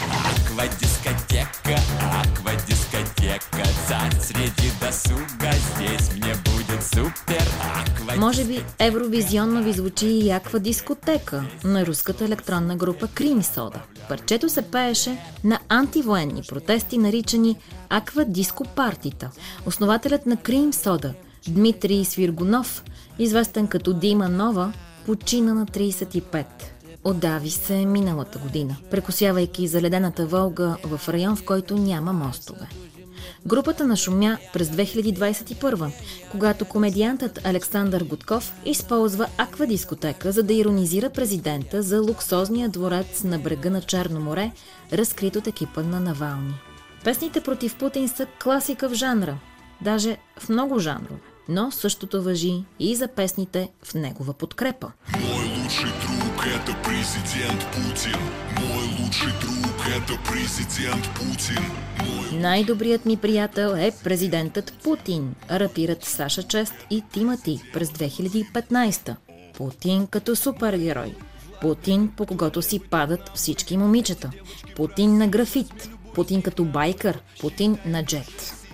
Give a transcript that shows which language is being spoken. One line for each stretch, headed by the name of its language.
Russian: Аква-дискотека, аква-дискотека, царь среди досуга, здесь мне будет супер.
Bulgarian: Може би евровизионно ви звучи и аква-дискотека на руската електронна група Крим Сода. Парчето се пееше на антивоенни протести, наричани аква-диско-партита. Основателят на Крим Сода, Дмитрий Свиргунов, известен като Дима Нова, почина на 35. Отдави се миналата година, прекосявайки заледената Волга в район, в който няма мостове. Групата нашумя през 2021, когато комедиантът Александър Гудков използва аквадискотека, за да иронизира президента за луксозния дворец на брега на Черно море, разкрит от екипа на Навални. Песните против Путин са класика в жанра, даже в много жанрове, но същото важи и за песните в негова подкрепа.
Russian: Это президент Путин. Мой лучший друг это президент Путин.
Bulgarian: Най-добрият ми приятел е президентът Путин, рапират Саша Чест и Тимати през 2015. Путин като супергерой. Путин, по когото си падат всички момичета. Путин на графит. Путин като байкър. Путин на джет.